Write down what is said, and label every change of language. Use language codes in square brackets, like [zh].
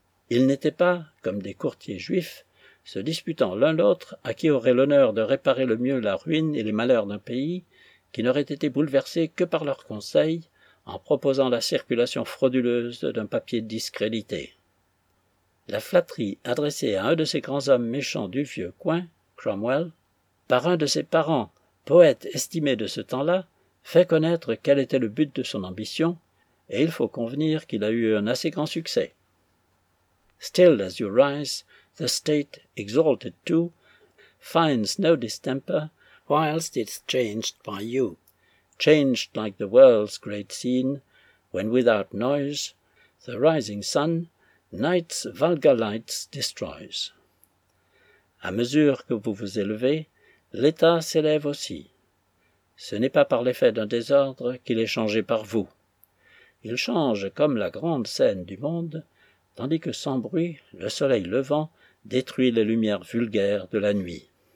[fr] Ils n'étaient pas, comme des courtiers juifs, se disputant l'un l'autre à qui aurait l'honneur de réparer le mieux la ruine et les malheurs d'un pays qui n'aurait été bouleversé que par leurs conseils en proposant la circulation frauduleuse d'un papier discrédité. La flatterie adressée à un de ces grands hommes méchants du vieux coin, Cromwell, par un de ses parents, poète estimé de ce temps-là, fait connaître quel était le but de son ambition, et il faut convenir qu'il a eu un assez grand succès. [en] Still as you rise, the state, exalted too, finds no distemper, whilst it's changed by you, changed like the world's great scene, when without noise, the rising sun, night's vulgar lights destroys. [fr] À mesure que vous vous élevez, l'État s'élève aussi. Ce n'est pas par l'effet d'un désordre qu'il est changé par vous. Il change comme la grande scène du monde, tandis que sans bruit, le soleil levant détruit les lumières vulgaires de la nuit.